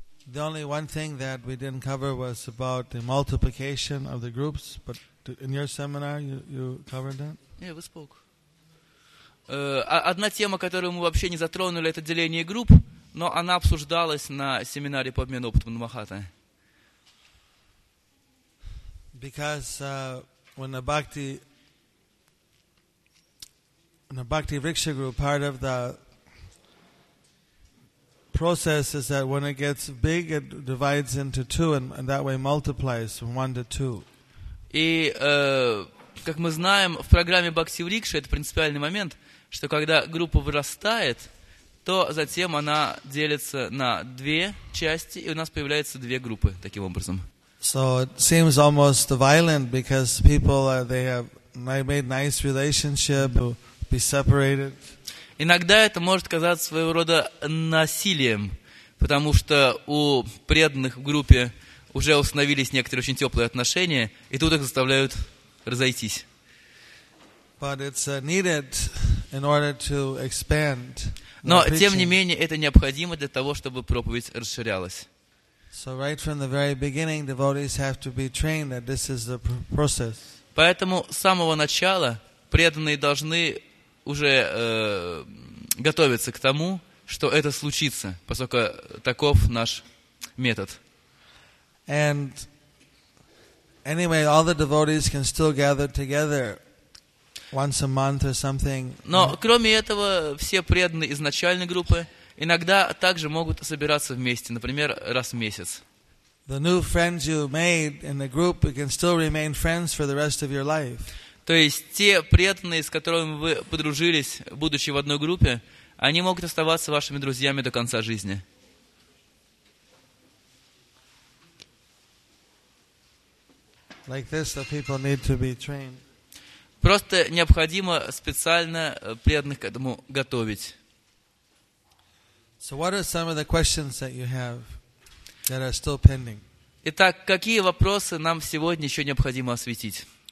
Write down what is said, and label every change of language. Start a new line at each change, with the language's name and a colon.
English: The only one thing that we didn't cover was about the multiplication of the groups, but in your seminar you covered that? Yeah, we spoke.
Russian: Одна тема, которую мы вообще не затронули, это деление групп, но она обсуждалась на семинаре по обмену опытом на Махата.
English: Because when the Bhakti Riksha group, part of the process is that when it gets big, it divides into two, and that way multiplies from one to two.
Russian: И как мы знаем, в программе Bhakti Riksha это принципиальный момент, что когда группа вырастает, то затем она делится на две части, и у нас появляются две группы таким образом.
English: So it seems almost violent because people they have made nice relationship to be separated.
Russian: Иногда это может казаться своего рода насилием, потому что у преданных в группе уже установились некоторые очень теплые отношения, и тут их заставляют разойтись.
English: But it's needed in order to expand.
Russian: Но, тем не менее, это необходимо для того, чтобы проповедь расширялась.
English: So right from the very beginning, devotees have to be trained that this is the process.
Russian: Поэтому с самого начала преданные должны уже готовиться к тому, что это случится, поскольку таков наш метод.
English: And anyway, all the devotees can still gather together once a month or something.
Russian: Но кроме этого, все преданные из начальной группы иногда также могут собираться вместе, например, раз в месяц.
English: The new friends you made in the group, you can still remain friends for the rest of your life.
Russian: То есть те преданные, с которыми вы подружились, будучи в одной группе, они могут оставаться вашими друзьями до конца жизни.
English: Like this, the people need to be trained.
Russian: Просто необходимо специально преданных к этому готовить.
English: So what are some of the questions that you have that are still pending?
Russian: Итак, какие вопросы нам сегодня еще необходимо осветить?